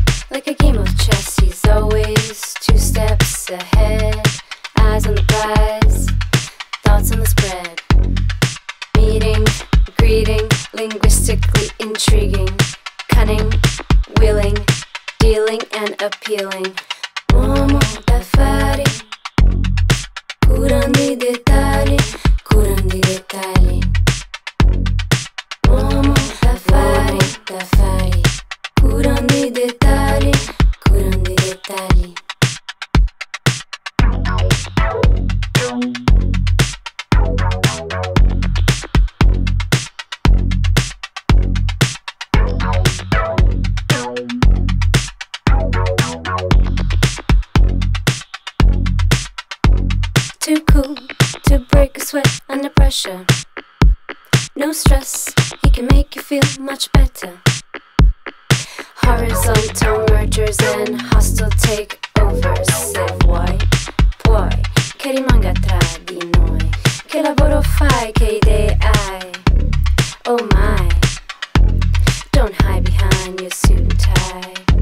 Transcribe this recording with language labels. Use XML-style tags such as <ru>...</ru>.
<en>Like a game of chess, he's always two steps ahead. Eyes on the prize, thoughts on the spread. Meeting, greeting, linguistically intriguing. Cunning, willing, dealing and appealing.</en> <it>Uomo d'affari, curando I dettagli, curando I dettagli. Uomo d'affari, d'affari, curando I dettagli, curando I dettagli.</it> <en>Too cool to break a sweat under pressure. No stress, he can make you feel much better. Horizontal mergers and hostile takeovers.</en> <it>Se vuoi, puoi, che rimanga tra di noi. Che lavoro fai, che idee hai?</it> <en>Oh my, don't hide behind your suit and tie.</en>